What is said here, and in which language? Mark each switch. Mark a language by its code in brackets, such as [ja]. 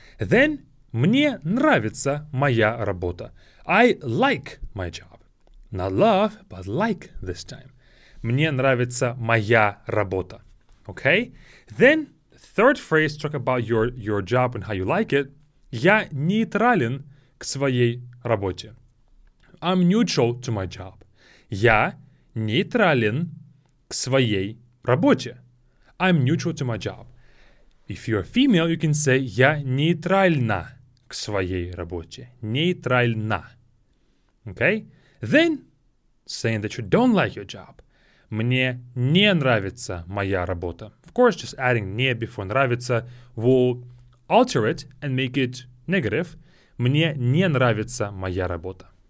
[ru] Then, мне нравится моя работа. [en] I like my job. Not love, but like this time. [ru] Мне нравится моя работа. [en] Okay? Then, third phrase, talk about your job and how you like it. [ru] Я нейтрален к своей работе. [en] I'm neutral to my job. [ru] Я нейтрален к своей работе. [en] I'm neutral to my job. If you're female, you can say [ru] я нейтральна к своей работе. Нейтральна. Okay? [en] Then, saying that you don't like your job. [ru] Мне не нравится моя работа. [en] Of course, just adding не before нравится will alter it and make it negative. [ru] Мне не нравится моя работа.